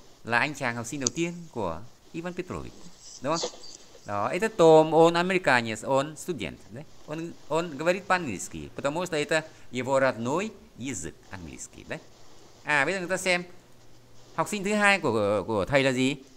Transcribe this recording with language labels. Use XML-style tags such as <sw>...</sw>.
<vi>Là anh chàng học sinh đầu tiên của Ivan Petrovich, đúng không?</vi> <ru>Đó, это Том, он американец, он студент, да? Он говорит по-английски, потому что это его родной язык английский, да?</ru> <vi>À, bây giờ người ta xem học sinh thứ hai của thầy là gì?</vi>